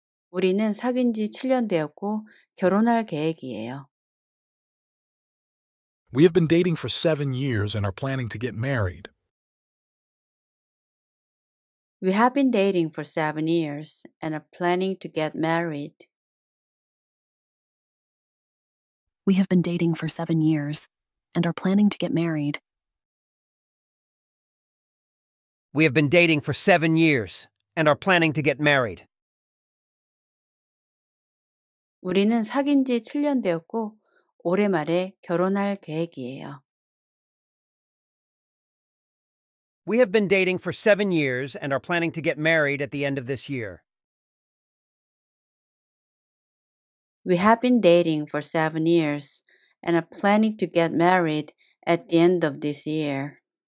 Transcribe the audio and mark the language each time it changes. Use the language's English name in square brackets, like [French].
[Korean] 우리는 사귄 지 7년 되었고 결혼할 계획이에요. [English] We have been dating for 7 years and are planning to get married. We have been dating for 7 years and are planning to get married. We have been dating for 7 years and are planning to get married. We have been dating for 7 years and are planning to get married. [Korean] 우리는 사귄 지 7년 되었고 올해 말에 결혼할 계획이에요. [English] We have been dating for 7 years and are planning to get married at the end of this year. We have been dating for 7 years and are planning to get married at the end of this year.